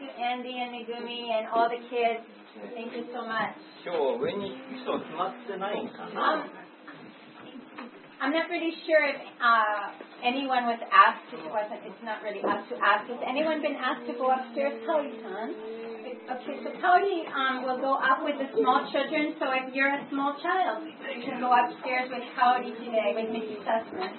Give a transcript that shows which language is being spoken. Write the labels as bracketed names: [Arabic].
[English] Thank you, Andy and Megumi and all the kids. Thank you so much. [Japanese] 今日上に人詰まってないかな? [English] I'm not really sure if anyone was asked. It's not really us to ask. Has anyone been asked to go upstairs, Kaori-san? Okay, so Kaori will go up with the small children. So if you're a small child, you can go upstairs with Kaori today with Mrs. Sussman.